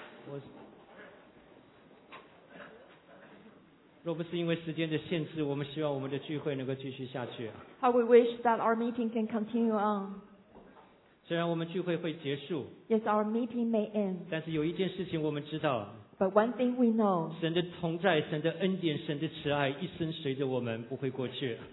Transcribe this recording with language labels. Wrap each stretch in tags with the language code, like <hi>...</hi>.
<zh>我若不是因为时间的限制，我们希望我们的聚会能够继续下去。</zh> <en>How we wish that our meeting can continue on.</en> <zh>虽然我们聚会会结束。</zh> <en>Yes, our meeting may end.</en> <zh>但是有一件事情我们知道。</zh> <en>But one thing we know.</en> <zh>神的同在、神的恩典、神的慈爱一生随着我们，不会过去。</zh>